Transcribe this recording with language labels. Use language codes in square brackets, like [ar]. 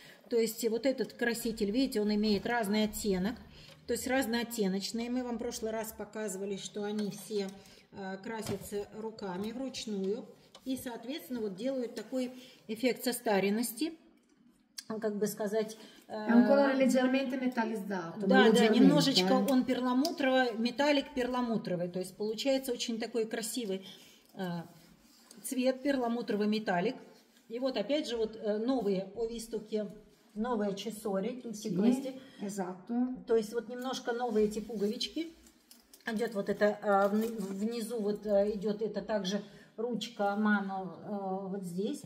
[ru] То есть вот этот краситель, видите, он имеет разный оттенок. То есть разнооттеночные. Мы вам в прошлый раз показывали, что они все красятся руками вручную. И, соответственно, вот делают такой эффект состаренности. Как бы сказать, [it] è un colore leggermente metallizzato. [ru] Да, да, немножечко он перламутровый, металлик перламутровый, то есть получается очень такой красивый цвет, перламутровый металлик. И вот опять же вот новые овистуки, новые часори, тут все гости. [it] Exacto. [ru] То есть вот немножко новые эти пуговички. Идет вот это, внизу вот идет это также ручка ману вот здесь.